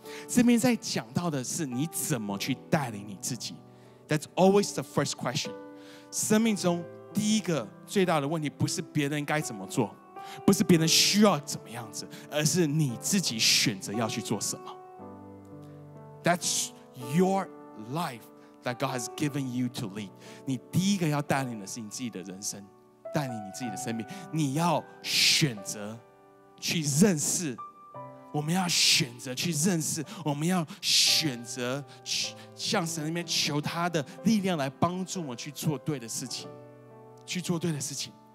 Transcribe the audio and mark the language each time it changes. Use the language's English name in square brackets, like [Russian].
[Chinese] 这边在讲到的是你怎么去带领你自己。 [English] That's always the first question。 [Chinese] 生命中第一个最大的问题不是别人该怎么做，不是别人需要怎么样子，而是你自己选择要去做什么。 [English] That's your life that God has given you to lead. [Chinese] 你第一个要带领的是你自己的人生，带领你自己的生命。你要选择去认识，我们要选择去认识，我们要选择向神那边求他的力量来帮助我去做对的事情，去做对的事情。